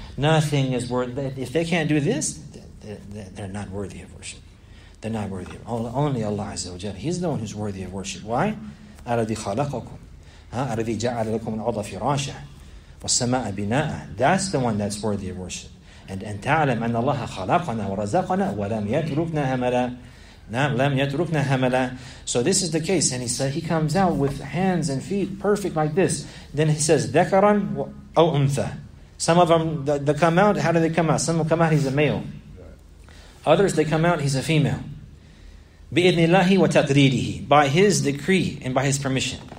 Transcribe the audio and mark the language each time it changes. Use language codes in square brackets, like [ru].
[en] Nothing is worthy. If they can't do this, they're not worthy of worship. They're not worthy of worship. Only Allah Azza wa Jalla. He's the one who's worthy of worship. Why? Aladhi khalaqakum. [ar] الَّذِي جَعَلَ لَكُمُ الْأَرْضَ فِرَاشًا وَالسَّمَاءَ بِنَاءً [en] That's the one that's worthy of worship. [ar] And تَعْلَمْ أَنَّ اللَّهَ خَلَقَنَا وَرَزَقَنَا وَلَمْ يَتْرُكْنَا هَمَلًا لَمْ يَتْرُكْنَا هَمَلًا [en] So this is the case. And he said he comes out with hands and feet perfect like this. Then he says, [ar] ذَكَرًا أَوْ أُنْثَى [en] Some of them, they come out, how do they come out? Some will come out, he's a male. Others, they come out, he's a female. [ar] بِإِذْنِ اللَّهِ وَتَقْرِيرِهِ [en] By his decree and by his permission.